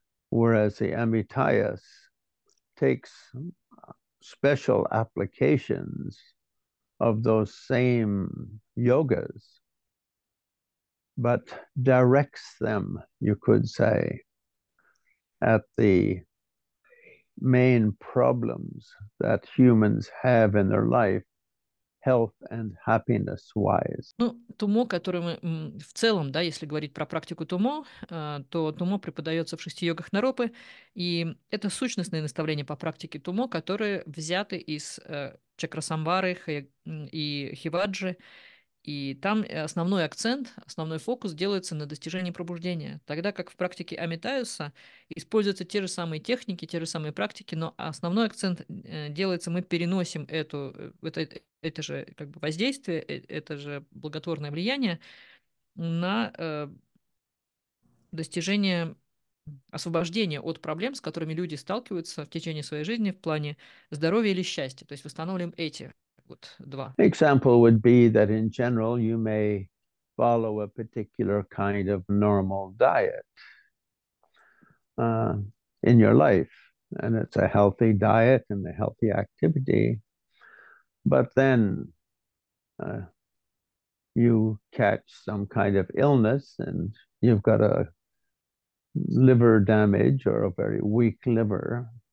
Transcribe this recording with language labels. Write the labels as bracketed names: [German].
[English] Whereas the Amitayas takes special applications of those same yogas, but directs them, you could say, at the main problems that humans have in their life, health and happiness wise. [Russian] Ну, тумо, которое мы в целом, да, если говорить про практику тумо, то тумо преподается в шести йогах Наропы, и это сущностные наставления по практике тумо, которые взяты из чакрасамвары и хиваджи. И там основной акцент, основной фокус делается на достижении пробуждения. Тогда как в практике Амитаюса используются те же самые техники, те же самые практики, но основной акцент делается, мы переносим это же как бы воздействие, это же благотворное влияние на достижение освобождения от проблем, с которыми люди сталкиваются в течение своей жизни в плане здоровья или счастья. То есть восстанавливаем эти вот два. [English] Example would be that in general you may follow a particular kind of normal diet in your life, and it's a healthy diet and a healthy activity. But then you catch some kind of illness, and you've got a liver damage or a very weak liver.